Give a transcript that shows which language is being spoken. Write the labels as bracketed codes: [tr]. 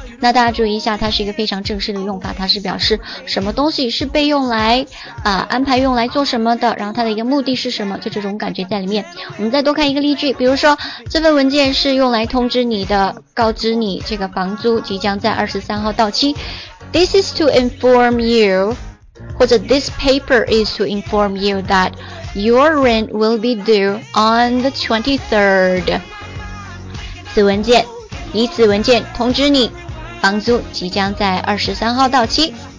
[zh] 那大家注意一下，它是一个非常正式的用法，它是表示什么东西是被用来安排用来做什么的，然后它的一个目的是什么，就这种感觉在里面。我们再多看一个例句，比如说这份文件是用来通知你的，告知你这个房租即将在23号到期。 [en] This is to inform you， [zh] 或者 [en] This paper is to inform you that your rent will be due on the 23rd。 [zh] 此文件，以此文件通知你房租即将在23号到期。